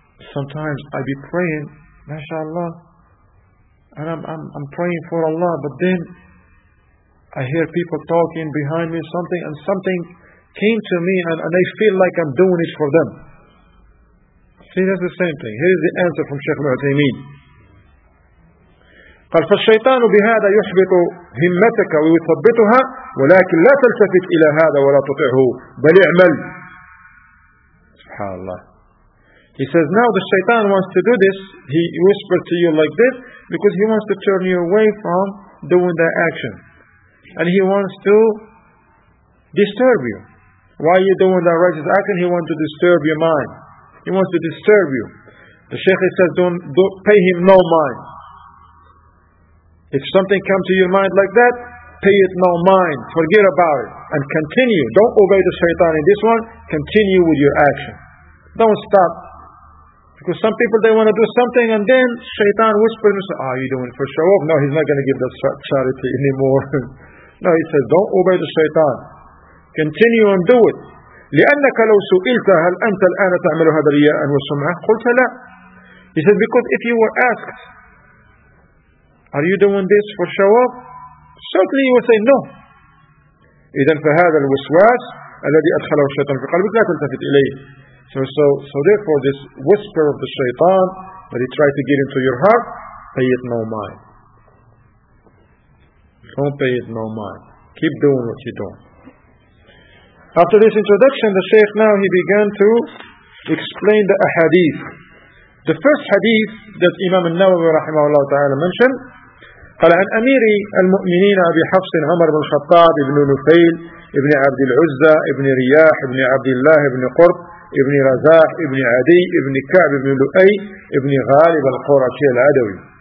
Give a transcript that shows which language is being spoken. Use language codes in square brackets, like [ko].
[en] Sometimes I be praying, mashallah, and I'm praying for Allah, but then I hear people talking behind me, something, and something came to me, and I feel like I'm doing it for them. See, that's the same thing. Here's the answer from Shaykh Al-Uthaymeen. [ar] قال فالشيطان بهذا يحبط همتك ويثبتها ولكن لا تلتفت إلى هذا ولا تطعه بل اعمل سبحان الله. [en] He says now the shaitan wants to do this, he whispered to you like this because he wants to turn you away from doing that action and he wants to disturb you. Why you doing that righteous action? He wants to disturb your mind, he wants to disturb you. The shaykh says don't pay him no mind. If something comes to your mind like that, pay it no mind. Forget about it. And continue. Don't obey the shaitan in this one. Continue with your action. Don't stop. Because some people, they want to do something and then shaitan whispers and says, "Oh, you're doing it for show off." No, he's not going to give the charity anymore. No, he says, don't obey the shaitan. Continue and do it. [ar] لِأَنَّكَ لَوْ سُئِلْتَ هَلْ أَنْتَ الْآنَ تَعْمَلُ هَذَا الْيَاءً وَسُمْعَةً قُلْتَ لَا. [en] He says, because if you were asked, are you doing this for show off? Certainly you will say no. [ar] إذن فهذا الوسواس الذي أدخله الشيطان في قلبك لا تلتفت إليه. [en] So therefore this whisper of the shaitan that he tried to get into your heart, pay it no mind. Don't pay it no mind. Keep doing what you're doing. After this introduction, the shaykh now he began to explain the ahadith. The first hadith that Imam al-Nawawi [ar] رحمه الله تعالى mentioned, قال عن أمير المؤمنين أبي حفص عمر بن الخطاب ابن نفيل ابن عبد العزة ابن رياح ابن عبد الله ابن قرط ابن رزاح ابن عدي ابن كعب ابن لؤي ابن غالب القرشي العدوي